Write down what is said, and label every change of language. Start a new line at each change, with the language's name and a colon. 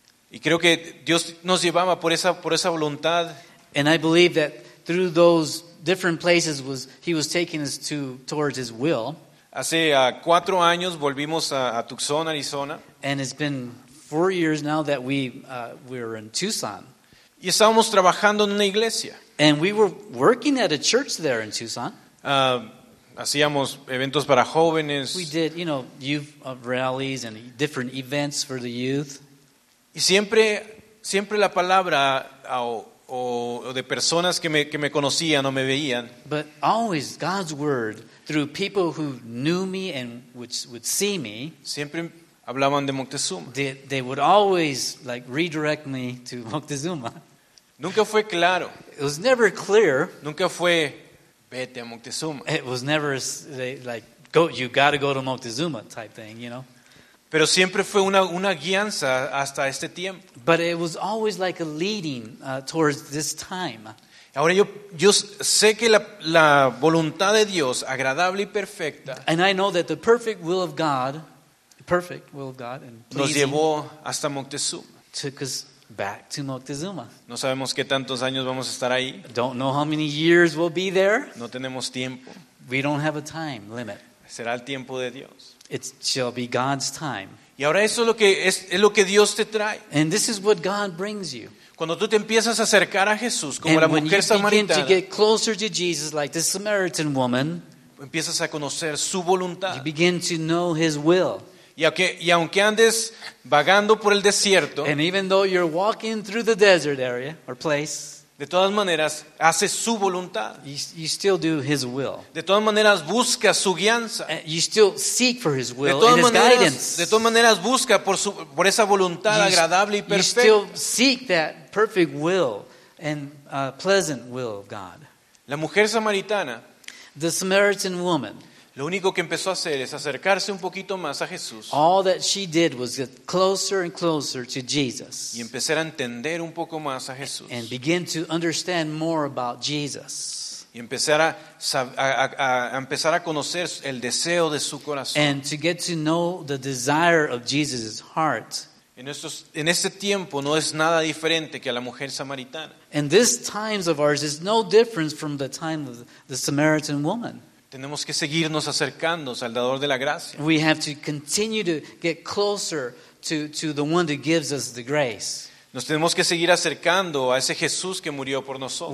Spanish: Y creo que Dios nos llevaba por esa voluntad.
English: And I believe that through those different places he was taking us towards his will.
Spanish: Hace 4 años volvimos a Tucson, Arizona.
English: And it's been 4 years now that we're in Tucson.
Spanish: Y estábamos trabajando en una iglesia.
English: And we were working at a church there in Tucson.
Spanish: Hacíamos eventos para jóvenes.
English: We did, you know, youth rallies and different events for the youth.
Spanish: Y siempre la palabra o de personas que me conocían o me veían.
English: But always God's word through people who knew me and which would see me.
Spanish: Siempre hablaban de Moctezuma.
English: They would always like redirect me to Moctezuma.
Spanish: Nunca fue claro.
English: It was never clear.
Spanish: Nunca fue vete a Moctezuma.
English: It was never like go. You got to go to Moctezuma type thing, you know.
Spanish: Pero siempre fue una guianza hasta este tiempo.
English: But it was always like a leading towards this time.
Spanish: Ahora yo sé que la voluntad de Dios agradable y perfecta.
English: And I know that the perfect will of God, and pleasing,
Spanish: nos llevó hasta Moctezuma.
English: Took us back to Moctezuma.
Spanish: No sabemos qué tantos años vamos a estar ahí.
English: Don't know how many years we'll be there.
Spanish: No tenemos tiempo.
English: We don't have a time limit.
Spanish: Será el tiempo de Dios.
English: It shall be God's time.
Spanish: Y ahora eso es lo que Dios te trae.
English: And this is what God brings you.
Spanish: Cuando tú te empiezas a acercar a Jesús como
English: and
Spanish: la mujer samaritana,
English: you begin to get closer to Jesus like this Samaritan woman,
Spanish: empiezas a conocer su voluntad.
English: You begin to know his will.
Spanish: Y aunque andes vagando por el desierto,
English: and even though you're walking through the desert area or place,
Spanish: de todas maneras hace su voluntad.
English: You still do his will.
Spanish: De todas maneras busca su guianza.
English: You still seek for his will and his guidance.
Spanish: De todas maneras busca por esa voluntad agradable y perfecta.
English: You still seek that perfect will and pleasant will of God.
Spanish: La mujer samaritana,
English: the Samaritan woman,
Spanish: lo único que empezó a hacer es acercarse un poquito más a Jesús.
English: All that she did was get closer and closer to Jesus.
Spanish: Y empezar a entender un poco más a Jesús.
English: And begin to understand more about Jesus.
Spanish: Y empezar a conocer el deseo de su corazón.
English: And to get to know the desire of Jesus' heart.
Spanish: En este tiempo no es nada diferente que a la mujer samaritana.
English: And this times of ours is no different from the time of the Samaritan woman.
Spanish: Tenemos que seguirnos acercando al dador de la gracia.
English: We have to continue to get closer to the one that gives us the grace.
Spanish: Nos tenemos que seguir acercando a ese Jesús que murió por nosotros.